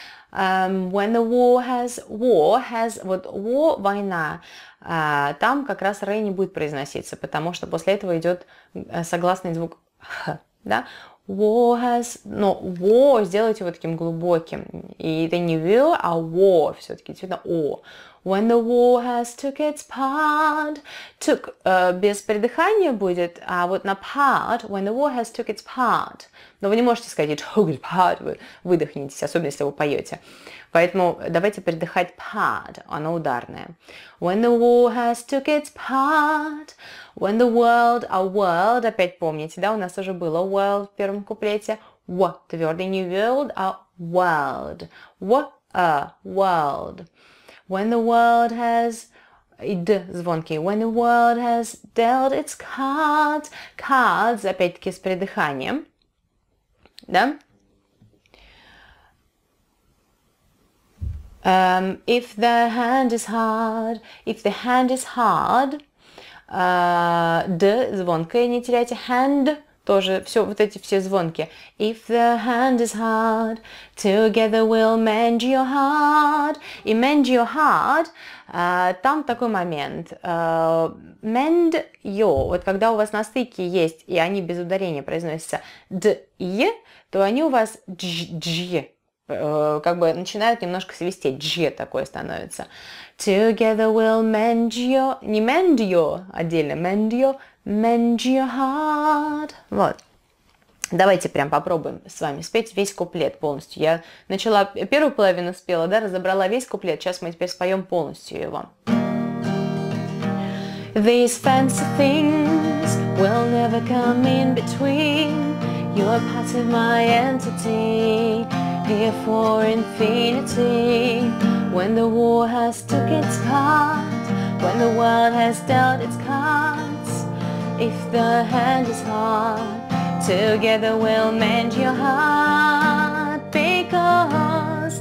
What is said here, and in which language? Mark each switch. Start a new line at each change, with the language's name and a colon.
English: When the war has,
Russian: вот war, война, там как раз R не будет произноситься, потому что после этого идет согласный звук H, да?
English: War has,
Russian: но war сделайте вот таким глубоким, и это не will, а war все-таки, действительно O.
English: When the war has took its part, took,
Russian: без придыхания будет, а вот на
English: part, when the war has took its part.
Russian: Но вы не можете сказать,
English: it took its part,
Russian: вы выдохнетесь, особенно если вы поете. Поэтому давайте придыхать part, оно ударное.
English: When the war has took its part, when the world, a world,
Russian: опять помните, да, у нас уже было
English: world
Russian: в первом куплете.
English: W,
Russian: твердый
English: new world, a world. W, a world. When the world has, d,
Russian: звонкий,
English: when the world has dealt its cards, cards,
Russian: опять-таки с придыханием, да?
English: If the hand is hard, if the hand is hard, d,
Russian: звонкое, не теряйте,
English: hand,
Russian: тоже все вот эти все звонки.
English: If the hand is hard, together we'll mend your heart.
Russian: И
English: mend your heart,
Russian: там такой момент.
English: Mend your,
Russian: вот когда у вас на стыке есть, и они без ударения произносятся d-i, то они у вас j-j-j. Как бы начинают немножко свистеть, дж такое становится.
English: Together we'll mend your, не mend your, отдельно mend your heart.
Russian: Вот. Давайте прям попробуем с вами спеть весь куплет полностью. Я начала первую половину спела, да, разобрала весь куплет. Сейчас мы теперь споем полностью его.
English: These fancy things will never come in between. You're part of my entity. Here for infinity, when the war has took its part, when the world has dealt its cards, if the hand is hard, together we'll mend your heart, because...